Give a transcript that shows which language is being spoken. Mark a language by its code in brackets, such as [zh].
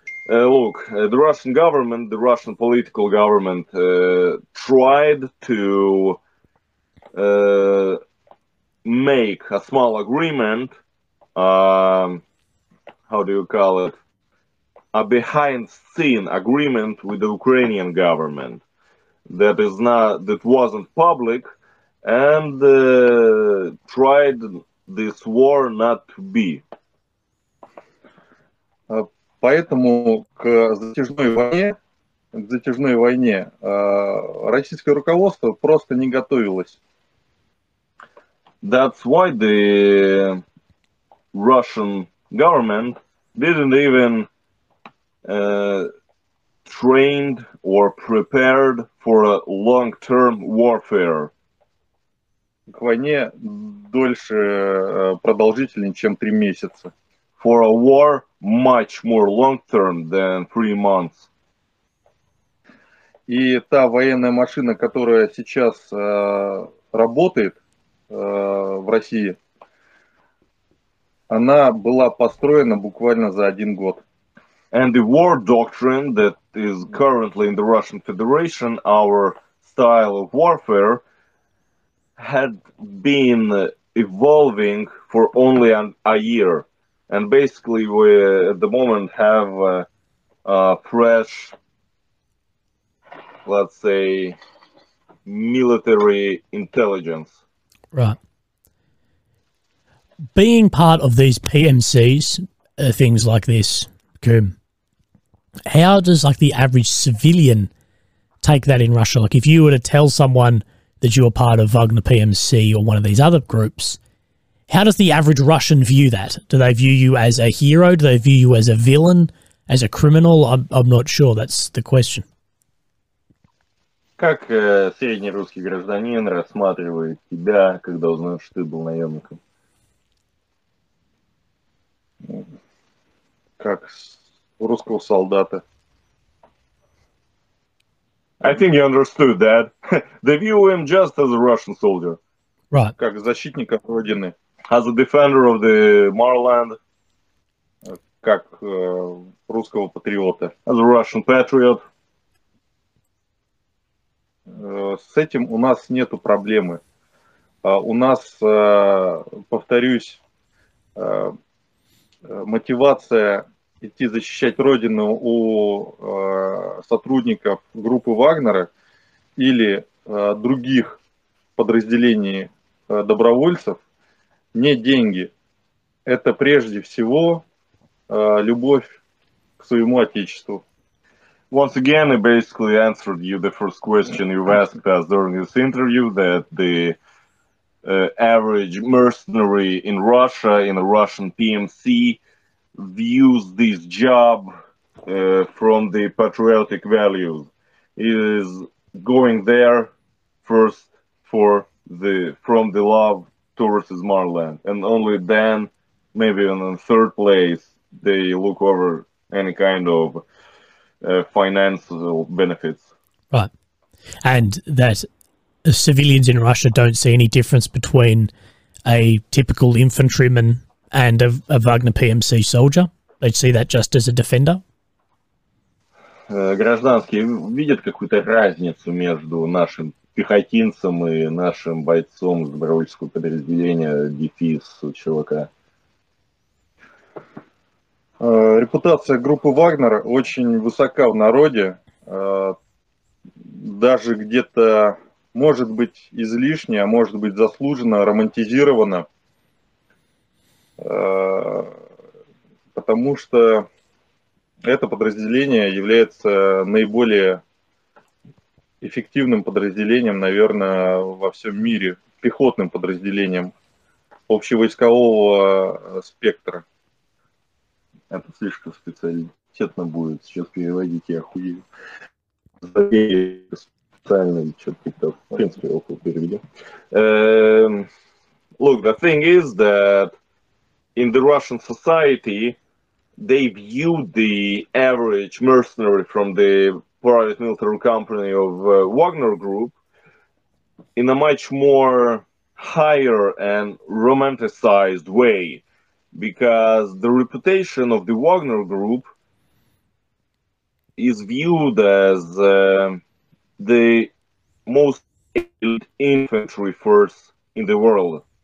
[en] Look, the Russian government, the Russian political government tried to make a small agreement, how do you call it, a behind-scene agreement with the Ukrainian government that is not, that wasn't public, and tried this war not to be. [ru] Поэтому к затяжной войне российское руководство просто не готовилось. [en] That's why the Russian government didn't even trained or prepared for a long-term warfare. [ru] К войне дольше продолжительнее, чем 3 месяца. [en] For a war much more long-term than 3 months. [ru] И та военная машина, которая сейчас работает в России, она была построена буквально за 1 год. [en] And the war doctrine that is currently in the Russian Federation, our style of warfare, had been evolving for only a year. And basically, we at the moment have a fresh, let's say, military intelligence. Right. Being part of these PMCs, things like this, Kum, how does like the average civilian take that in Russia? Like, if you were to tell someone that you are part of Wagner PMC or one of these other groups, how does the average Russian view that? Do they view you as a hero? Do they view you as a villain, as a criminal? I'm not sure. That's the question. [ru] Как среднерусский гражданин рассматривает тебя, когда узнает, что ты был наемником? как у русского солдата. [en] I think you understood that. They view him just as a Russian soldier. Right. [ru] Как защитник родины. [en] As a defender of the motherland. [ru] Как русского патриота. [en] As a Russian patriot. [ru] С этим у нас нету проблемы. У нас, повторюсь, мотивация идти защищать родину у сотрудников группы Вагнера или других подразделений добровольцев не деньги. Это прежде всего любовь к своему отечеству. [en] Once again, I basically answered you the first question you asked us during this interview, that the average mercenary in Russia, in the Russian PMC, views this job from the patriotic values. It is going there first for the from the love towards his motherland, and only then, maybe in the third place, they look over any kind of financial benefits. Right, and that civilians in Russia don't see any difference between a typical infantryman and a Wagner PMC soldier. They'd see that just as a defender. [ru] Гражданские видят какую-то разницу между нашим пехотинцем и нашим бойцом из добровольческого подразделения ДПС у чувака. Репутация группы Вагнера очень высока в народе, даже где-то может быть излишне, а может быть заслуженно, романтизировано. Потому что это подразделение является наиболее эффективным подразделением, наверное, во всем мире, пехотным подразделением общевойскового спектра. Это слишком специалитетно будет. Сейчас переводить, я охуею. Забей специально, что-то, в принципе, около переведем. [en] Look, the thing is that in the Russian society, they viewed the average mercenary from the private military company of Wagner Group in a much more higher and romanticized way, because the reputation of the Wagner Group is viewed as the most elite infantry force in the world.